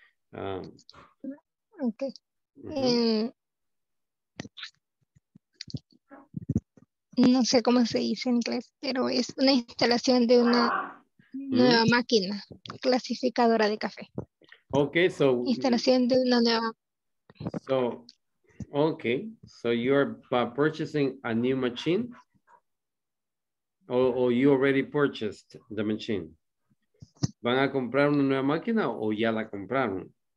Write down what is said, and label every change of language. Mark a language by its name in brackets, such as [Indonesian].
[Spanish] No sé cómo se dice en inglés, pero es una instalación de una nueva máquina clasificadora de café. [English] Okay, so [Spanish] instalación de una nueva. [English] So, okay, so you're purchasing a new machine, or you already purchased the machine. [Spanish] ¿Van a comprar una nueva máquina o ya la compraron?